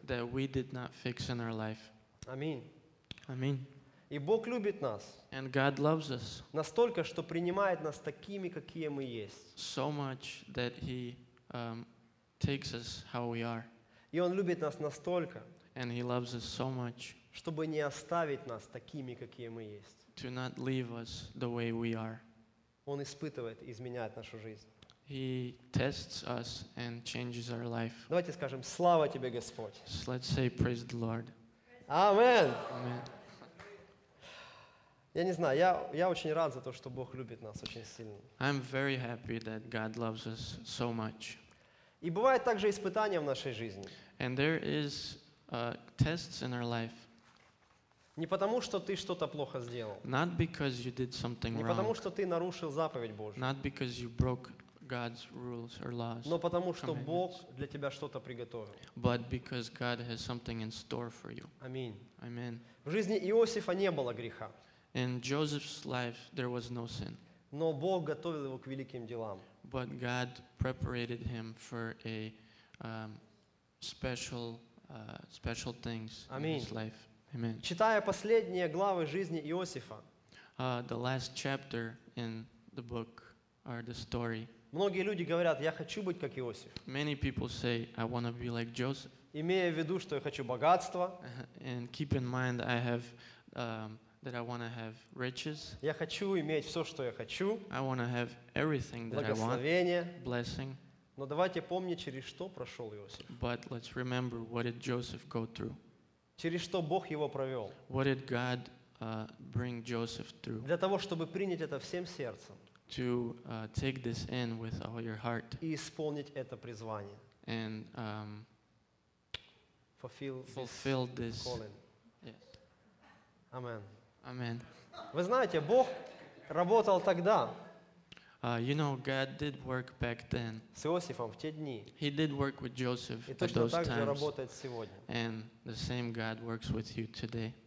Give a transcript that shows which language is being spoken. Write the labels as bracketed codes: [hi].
[en] That we did not fix in our life. [ru] Amen. И Бог любит нас. [en] And God loves us. [ru] Настолько, что принимает нас такими, какие мы есть. [en] So much that He takes us how we are. [ru] И Он любит нас настолько. [en] And He loves us so much. [ru] Чтобы не оставить нас такими, какие мы есть. [en] To not leave us the way we are. [ru] Он испытывает, изменяет нашу жизнь. [en] He tests us and changes our life. [ru] Давайте скажем, слава тебе, Господь. [en] So let's say, praise the Lord. Amen. Amen. [ru] Я не знаю, я очень рад за то, что Бог любит нас очень сильно. [en] I'm very happy that God loves us so much. [ru] И бывает также испытания в нашей жизни. [en] And there is tests in our life. [ru] Не потому, что ты что-то плохо сделал. [en] Not because you did something wrong. [ru] Не потому, что ты нарушил заповедь Божью. [en] Not because you broke God's rules or laws. [ru] Но потому, что Бог для тебя что-то приготовил. [en] But because God has something in store for you. [ru] Аминь. [en] Amen. [ru] В жизни Иосифа не было греха. [en] In Joseph's life there was no sin. [ru] Но Бог готовил его к великим делам. [en] But God prepared him for a special things in his life. Amen. [ru] Читая последние главы жизни Иосифа, [en] the last chapter in the book or the story. [ru] Многие люди говорят, я хочу быть как Иосиф. [en] Many people say, I want to be like Joseph. [ru] Имея в виду, что я хочу богатства. [en] And keep in mind, I have that I want to have riches. [ru] Я хочу иметь все, что я хочу. [en] I want to have everything that I want. [ru] Благословение. [en] Blessing. [ru] Но давайте помнить, через что прошел Иосиф. [en] But let's remember what did Joseph go through. [ru] Через что Бог его провел? [en] What did God bring Joseph through? [ru] Для того, чтобы принять это всем сердцем. [en] To take this in with all your heart. [ru] И исполнить это призвание. [en] And fulfill this calling. Yes. Amen. Amen. [ru] Вы знаете, Бог работал тогда. [en] You know, God did work back then. [ru] С Иосифом в те дни. [en] He did work with Joseph at those times. [ru] И точно так же работает сегодня. [en] And the same God works with you today.